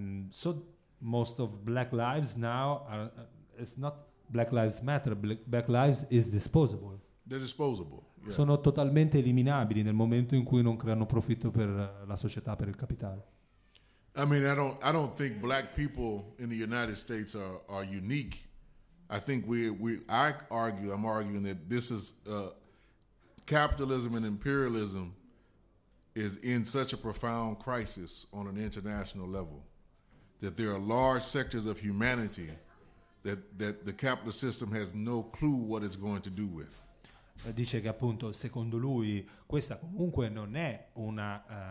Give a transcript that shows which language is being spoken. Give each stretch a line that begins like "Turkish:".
English: So most of black lives now are it's not black lives matter, black lives is disposable. They're disposable. Yeah.
Italian: Sono totalmente eliminabili nel momento in cui non creano profitto per la società, per il capitale.
English: I mean, I don't think black people in the United States are unique. I think I'm arguing that this is capitalism and imperialism is in such a profound crisis on an international level that there are large sectors of humanity that the capitalist system has no clue what it's going to do with.
Italian: Dice che appunto secondo lui questa comunque non è una